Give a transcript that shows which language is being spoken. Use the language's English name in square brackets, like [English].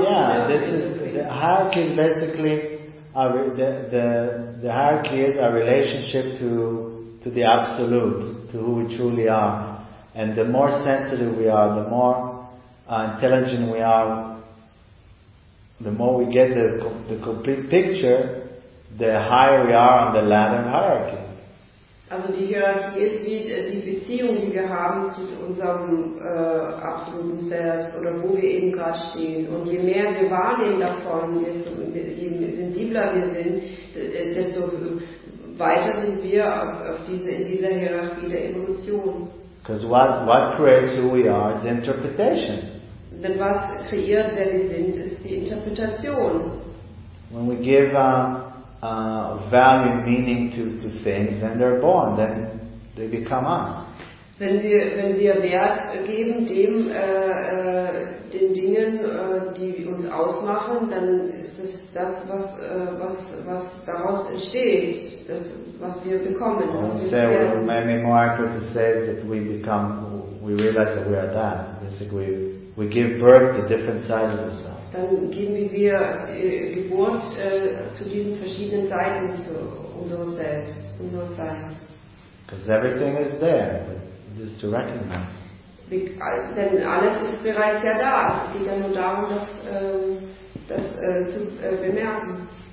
[English] Yeah, this is the hierarchy basically, the hierarchy is our relationship to to the absolute, to who we truly are. And the more sensitive we are, the more intelligent we are, the more we get the complete picture, the higher we are on the ladder and hierarchy. [German] Also die Hierarchie ist wie die Beziehung, die wir haben zu unserem absoluten Selbst oder wo wir eben gerade stehen. Und je mehr wir wahrnehmen davon, desto je sensibler wir sind, desto weiter sind wir in dieser Hierarchie der Evolution. [English] Because what creates who we are is interpretation. [German] Denn was kreiert, wer wir sind, ist die Interpretation. [English] When we give value, meaning to things, then they're born, then they become us. [German] Wenn wir Wert geben dem den Dingen, die uns ausmachen, dann ist es das, was daraus entsteht, das, was wir bekommen. [English] Maybe more accurate to say that we realize that we are that. Basically, we give birth to different sides of ourselves. [German] Dann geben wir Geburt zu diesen verschiedenen Seiten unseres Selbst, unseres Seins. [English] Because everything is there, but just to recognize. [German] Denn alles ist bereits ja da. Es geht ja nur darum, das zu bemerken.